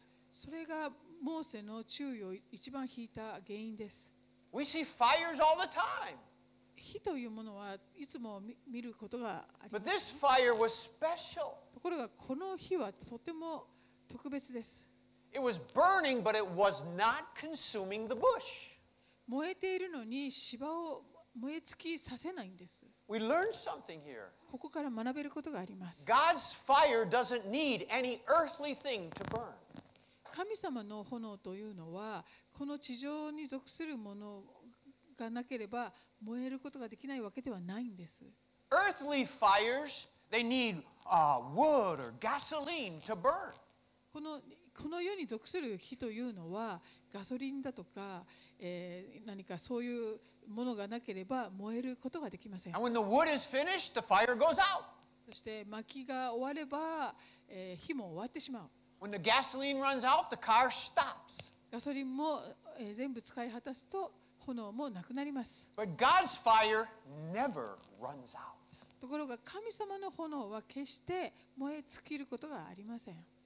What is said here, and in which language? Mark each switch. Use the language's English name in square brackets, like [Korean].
[Japanese] それがモーセの注意を一番引いた原因です。 [English] We see fires all the time. [Japanese] 火というものはいつも見ることがあります。 [English] But this fire was special. [Japanese] ところがこの火はとても特別です。 [English] It was burning, but it was not consuming the bush. [Japanese] 燃えているのに芝を燃え尽きさせないんです。 [English] We learn something here. [Japanese] ここから学べることがあります。 [English] God's fire doesn't need any earthly thing to burn. [Japanese] 神様の炎というのはこの地上に属するものがなければ燃えることができないわけではないんです。 [English] Earthly fires, they need wood or gasoline to burn. [Japanese] この世に属する火というのはガソリンだとか、何かそういうものがなければ燃えることができません。 [English] And when the wood is finished, the fire goes out. [Japanese] そして薪が終われば、火も終わってしまう。 [English] When the gasoline runs out, the car stops. [Japanese] ガソリンも、全部使い果たすと炎もなくなります。 [English] But God's fire never runs out. [Japanese] ところが神様の炎は決して燃え尽きることがありません。